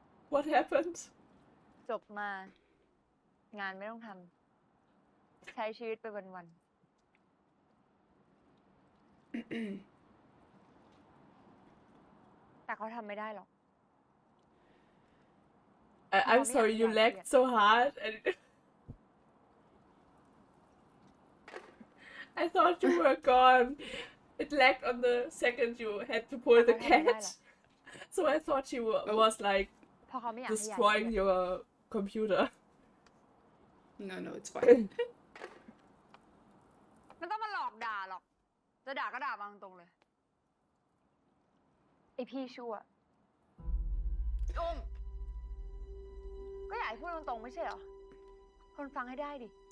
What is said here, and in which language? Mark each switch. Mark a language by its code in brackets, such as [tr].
[en] What happened? [th] จบมางานไม่ต้องทำใช้ชีวิตไปวันๆแต่เขาทำไม่ได้หรอก [en] I'm sorry you lagged so hard and I thought you were gone it lagged on the second you had to pull the catch so I thought she was like destroying yourComputer. No, it's fine. [th] ไม่ต้องมาหลอกด่าหรอกจะด่าก็ด่ามาตรงเลยไอพี่ชั่วอุ้มก็อยากให้พูดตรงๆไม่ใช่เหรอคนฟังให้ได้ดิ